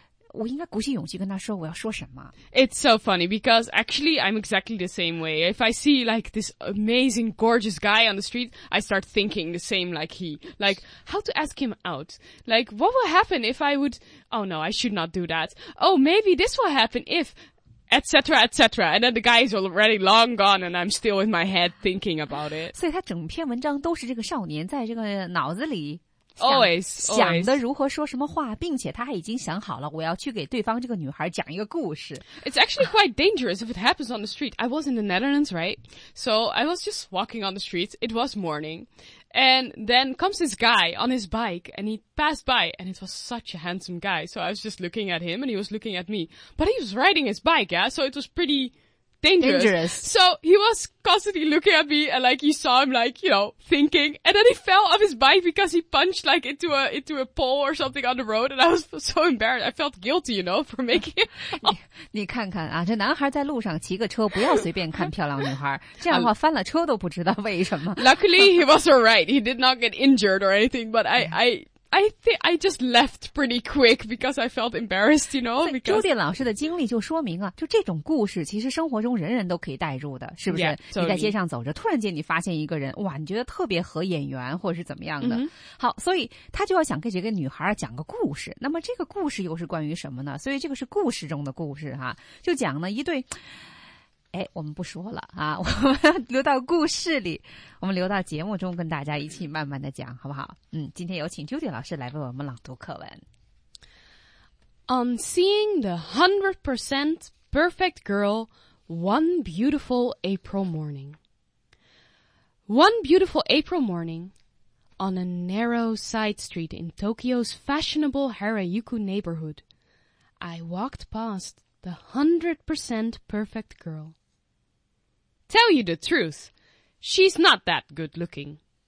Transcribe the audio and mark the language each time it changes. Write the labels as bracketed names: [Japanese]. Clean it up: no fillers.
[Chinese] 我应该鼓起勇气跟她说我要说什么。 [English] It's so funny because actually I'm exactly the same way. If I see like this amazing, gorgeous guy on the street, I start thinking the same like he. Like, how to ask him out? Like, what will happen if I would, oh no, I should not do that. Oh, maybe this will happen if... Et cetera, et cetera. And then the guy is already long gone and I'm still in my head thinking about it. [Chinese] 所以他整篇文章都是这个少年在这个脑子里想 [English] always, always. [Chinese] 想的如何说什么话，并且他还已经想好了我要去给对方这个女孩讲一个故事。 [English] It's actually quite dangerous if it happens on the street. I was in the Netherlands, right? So I was just walking on the streets. It was morning. And then comes this guy on his bike and he passed by and it was such a handsome guy. So I was just looking at him and he was looking at me. But he was riding his bike, yeah? So it was pretty dangerous. So he was constantly looking at me and like you saw him like, you know, thinking. And then he fell off his bike because he punched like into a pole or something on the road. And I was so embarrassed. I felt guilty, you know, for making it. [Chinese] 你看看啊，这男孩在路上骑个车，不要随便看漂亮女孩。这样的话翻了车都不知道为什么。 [English] Luckily, he was all right. He did not get injured or anything, but I just left pretty quick because I felt embarrassed, you know, because... [Chinese] 朱迪老师的经历就说明啊，就这种故事其实生活中人人都可以带入的，是不是？ [English] Yeah, totally. [Chinese] 你在街上走着，突然间你发现一个人，哇，你觉得特别合眼缘或者是怎么样的。好，所以他就要想给这个女孩讲个故事。那么这个故事又是关于什么呢？所以这个是故事中的故事哈，就讲了一对哎，我们不说了啊，我们留到故事里，我们留到节目中跟大家一起慢慢的讲，好不好？今天有请 Judy 老师来为我们朗读课文。 [English] On seeing the 100% perfect girl one beautiful April morning. One beautiful April morning, on a narrow side street in Tokyo's fashionable Harajuku neighborhood, I walked past the 100% perfect girl.Tell you the truth, she's not that good looking.